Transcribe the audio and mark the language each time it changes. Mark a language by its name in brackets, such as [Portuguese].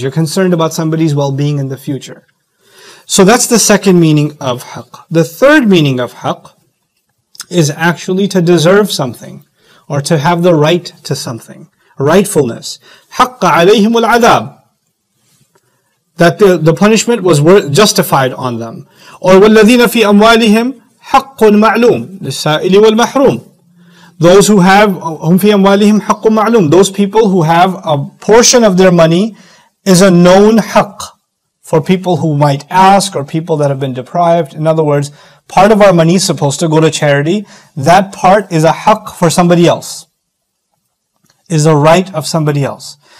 [English] You're concerned about somebody's well-being in the future. So that's the second meaning of haq. The third meaning of haq is actually to deserve something or to have the right to something. [Arabic] Rightfulness. حق عليهم العذاب. [English] That the punishment was justified on them. [Arabic] Or والذين في أموالهم حق معلوم للسائل والمحروم. [English] Those who have, [Arabic] هم في أموالهم حق معلوم. [English] Those people who have a portion of their money is a known [Arabic] حق [English] for people who might ask or people that have been deprived. In other words, part of our money is supposed to go to charity. That part is a haq for somebody else, is a right of somebody else.